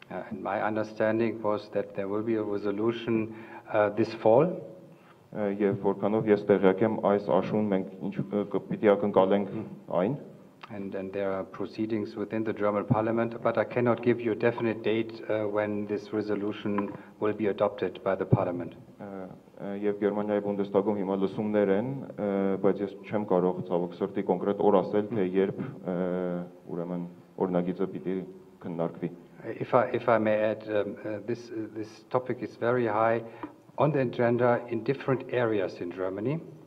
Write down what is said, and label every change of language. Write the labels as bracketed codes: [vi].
[en] My understanding was that there will be a resolution this fall. [hy] Եվ որքանով ես տեղյակ եմ այս աշուն մենք ինչ պիտի ակնկալենք այն. [en] And there are proceedings within the German parliament, but I cannot give you a definite date when this resolution will be adopted by the parliament. [hy] Եվ Գերմանիայի Բունդեստագում հիմա լսումներ են, բայց ես չեմ կարող ցավոք սրտի կոնկրետ օր ասել, թե երբ ուրեմն օրնագիծը պիտի քննարկվի. [en] If I may add, this topic is very high on the agenda in different areas in Germany.